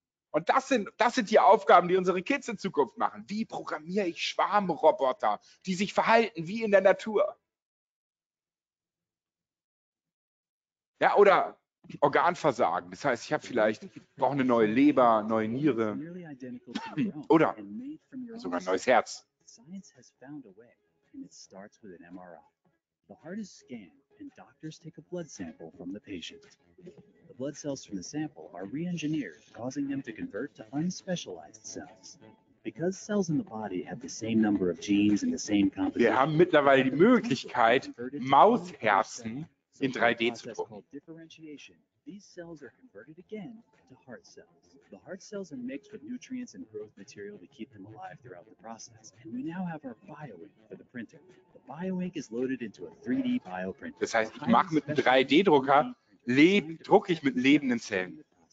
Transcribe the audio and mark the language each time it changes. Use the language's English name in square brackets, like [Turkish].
[German] Und das sind die Aufgaben, die unsere Kids in Zukunft machen. Wie programmiere ich Schwarmroboter, die sich verhalten wie in der Natur? Ja, oder Organversagen. Das heißt, ich habe vielleicht, brauche eine neue Leber, neue Niere oder sogar ein neues Herz. [English] Science has found a way and it starts with an MRI. The heart is scanned and doctors take a blood sample from the patient. The blood cells from the sample are re-engineered, causing them to convert to unspecialized cells. Because cells in the body have the same number of genes and the same composition. [German] Wir haben mittlerweile die Möglichkeit, Mausherzen in 3D zu drucken. [English] These cells are converted again to heart cells. The heart cells are mixed with nutrients and growth material to keep them alive throughout the process. And we now have our bioink for the printer. The bioink is loaded into a 3D bioprinter. [German] Das heißt, ich mache mit einem 3D-Drucker drucke ich mit lebenden Zellen.